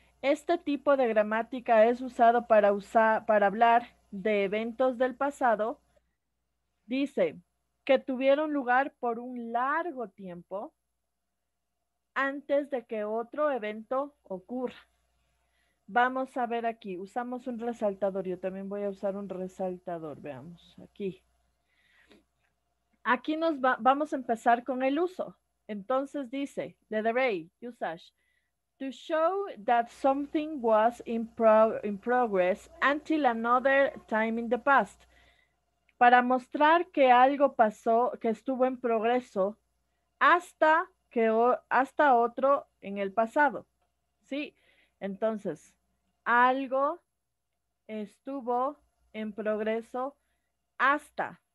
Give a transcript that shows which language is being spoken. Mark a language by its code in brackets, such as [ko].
[es] Este tipo de gramática es usado para hablar de eventos del pasado, dice, que tuvieron lugar por un largo tiempo antes de que otro evento ocurra. Vamos a ver aquí, usamos un resaltador, yo también voy a usar un resaltador, veamos, aquí. Aquí nos va, vamos a empezar con el uso. Entonces dice, [en] the delay, usage, to show that something was in progress until another time in the past. [es] Para mostrar que algo pasó, que estuvo en progreso, hasta otro en el pasado. ¿Sí? Entonces, algo estuvo en progreso hasta.